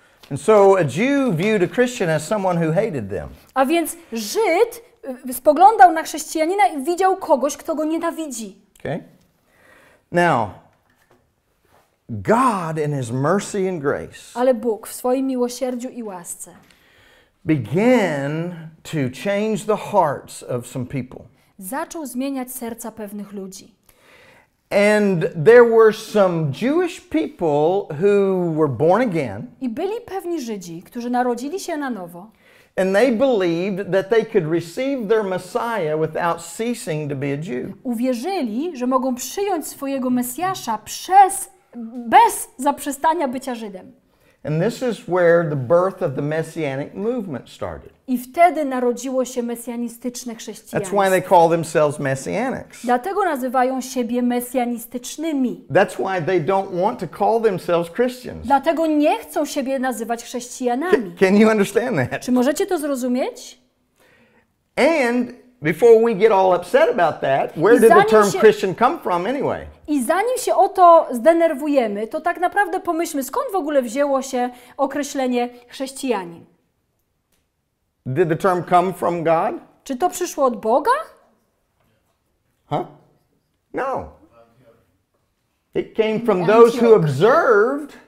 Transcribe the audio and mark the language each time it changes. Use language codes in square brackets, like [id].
[en] And so a Jew viewed a Christian as someone who hated them. [pl] A więc Żyd spoglądał na chrześcijanina i widział kogoś, kto go nienawidzi. [en] Okay. Now, God in His mercy and grace. [pl] Ale Bóg w swoim miłosierdziu i łasce. [en] Began to change the hearts of some people. [pl] Zaczął zmieniać serca pewnych ludzi. [en] And there were some Jewish people who were born again. [pl] I byli pewni Żydzi, którzy narodzili się na nowo. [en] And they believed that they could receive their Messiah without ceasing to be a Jew. [pl] Uwierzyli, że mogą przyjąć swojego Mesjasza bez zaprzestania bycia Żydem. [en] And this is where the birth of the messianic movement started. [pl] I wtedy narodziło się mesjanistyczne chrześcijaństwo. [en] That's why they call themselves messianics. [pl] Dlatego nazywają siebie mesjanistycznymi. [en] That's why they don't want to call themselves Christians. [pl] Dlatego nie chcą siebie nazywać chrześcijanami. [en] Can you understand that? [pl] Czy możecie to zrozumieć? [en] And before we get all upset about that, where did the term Christian come from anyway? [pl] I zanim się o to zdenerwujemy, to tak naprawdę pomyślmy, skąd w ogóle wzięło się określenie chrześcijanin? [en] Did the term come from God? [pl] Czy to przyszło od Boga? [en] Huh? No. It came from those who observed.